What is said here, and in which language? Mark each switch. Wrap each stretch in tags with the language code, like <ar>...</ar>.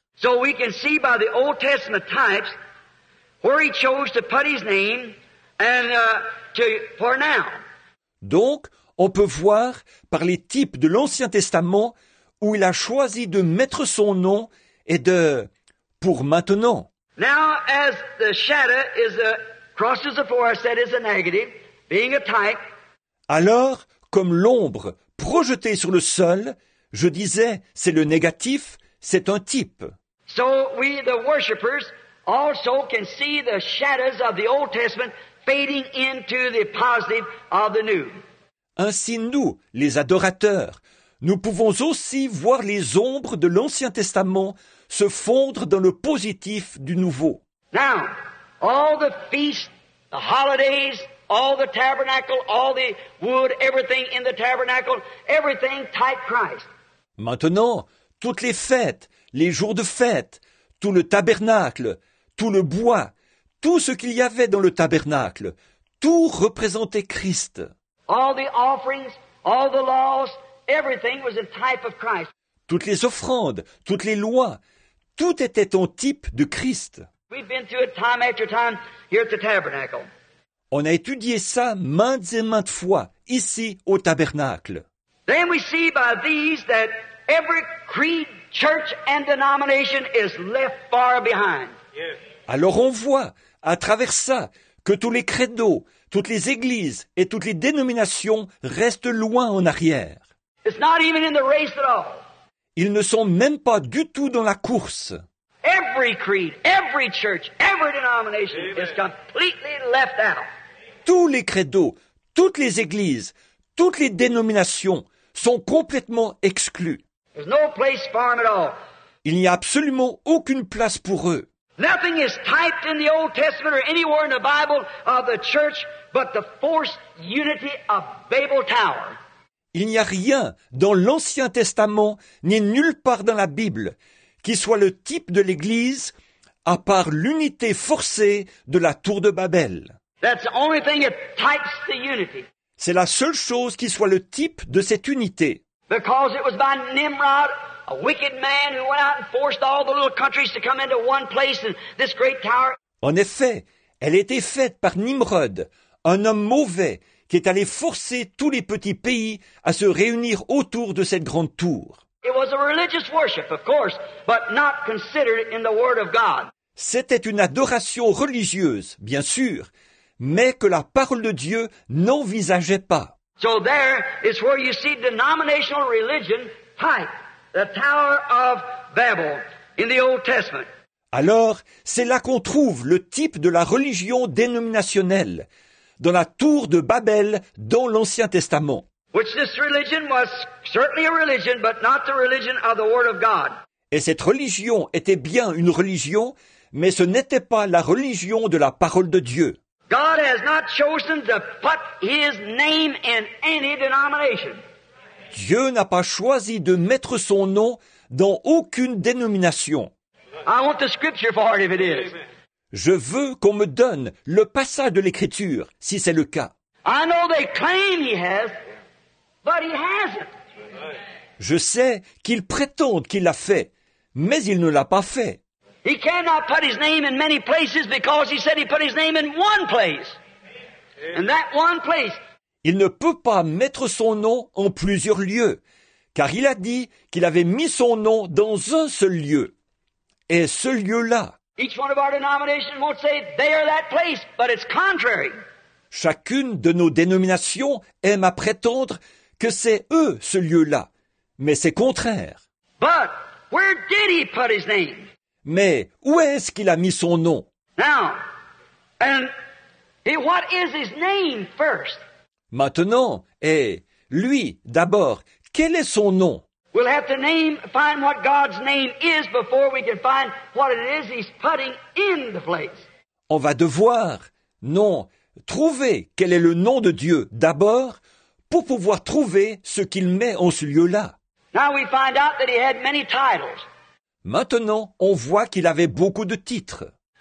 <en>So we can see by the Old Testament types where he chose to put his name and to for now.</en> <fr>Donc, on peut voir par les types de l'Ancien Testament où il a choisi de mettre son nom et de pour maintenant.</fr> <en>Now, as the shadow is crosses the floor, I said is a negative, being a type.</en> <fr>Alors, comme l'ombre projetée sur le sol, je disais, c'est le négatif, c'est un type.</fr> <en>So we, the worshipers, also can see the shadows of the Old Testament fading into the positive of the new.</en> <fr>Ainsi nous, les adorateurs, nous pouvons aussi voir les ombres de l'Ancien Testament se fondre dans le positif du nouveau.</fr> <en>Now, all the feasts, the holidays, all the tabernacle, all the wood, everything in the tabernacle, everything type Christ.</en> <fr>Maintenant, toutes les fêtes, les jours de fête, tout le tabernacle, tout le bois, tout ce qu'il y avait dans le tabernacle, tout représentait Christ.</fr> <en>All the offerings, all the laws, everything was a type of Christ.</en> <fr>Toutes les offrandes, toutes les lois, tout était en type de Christ.</fr> <en>We've been through it time after time here at the tabernacle.</en> <fr>On a étudié ça maintes et maintes fois ici au tabernacle.</fr> <en>Then we see by these that every creed, church and denomination is left far behind. Yes.</en> <fr>Alors on voit à travers ça que tous les credos, toutes les églises et toutes les dénominations restent loin en arrière.</fr> <en>It's not even in the race at all.</en> <fr>Ils ne sont même pas du tout dans la course.</fr> <en>Every creed, every church, every denomination is completely left out.</en> <fr>Tous les credos, toutes les églises, toutes les dénominations sont complètement exclus.</fr> <en>There's no place for them at all.</en> <fr>Il n'y a absolument aucune place pour eux.</fr> <en>Nothing is typed in the Old Testament or anywhere in the Bible of the church but the forced unity of Babel Tower.</en> <fr>Il n'y a rien dans l'Ancien Testament ni nulle part dans la Bible qui soit le type de l'Église à part l'unité forcée de la tour de Babel.</fr> <en>That's the only thing that types the unity.</en> <fr>C'est la seule chose qui soit le type de cette unité.</fr> <en>Because it was by Nimrod, a wicked man who went out and forced all the little countries to come into one place in this great tower.</en> <fr>En effet, elle a été faite par Nimrod, un homme mauvais qui est allé forcer tous les petits pays à se réunir autour de cette grande tour.</fr> <en>It was a religious worship, of course, but not considered in the Word of God.</en> <fr>C'était une adoration religieuse, bien sûr, mais que la parole de Dieu n'envisageait pas.</fr> <en>So there is where you see denominational religion type, the Tower of Babel in the Old Testament.</en> <fr>Alors, c'est là qu'on trouve le type de la religion dénominationnelle, dans la tour de Babel dans l'Ancien Testament.</fr> <en>Which this religion was certainly a religion, but not the religion of the Word of God.</en> <fr>Et cette religion était bien une religion, mais ce n'était pas la religion de la parole de Dieu.</fr> <en>God has not chosen to put his name in any denomination.</en> <fr>Dieu n'a pas choisi de mettre son nom dans aucune dénomination.</fr> <en>I want the scripture for it if it is.</en> <fr>Je veux qu'on me donne le passage de l'Écriture, si c'est le cas.</fr> <en>I know they claim he has, but he hasn't.</en> <fr>Je sais qu'il prétend qu'il l'a fait, mais il ne l'a pas fait.</fr> <en>He cannot put his name in many places because he said he put his name in one place. And that one place.</en> <fr>Il ne peut pas mettre son nom en plusieurs lieux, car il a dit qu'il avait mis son nom dans un seul lieu. Et ce lieu-là.</fr> <en>Each one of our denominations won't say they are that place, but it's contrary.</en> <fr>Chacune de nos dénominations aime à prétendre que c'est eux ce lieu-là, mais c'est contraire.</fr> <en>But where did he put his name?</en> <fr>Mais où est-ce qu'il a mis son nom?</fr> <en>Now, and what is his name first?</en> <fr>Maintenant, et lui, d'abord, quel est son nom?</fr> <en>We'll have to find what God's name is before we can find what it is he's putting in the place.</en> <fr>On va devoir, trouver quel est le nom de Dieu d'abord pour pouvoir trouver ce qu'il met en ce lieu-là.</fr> <en>Now we find out that he had many titles.</en> <fr>Maintenant, on voit qu'il avait beaucoup de titres.</fr>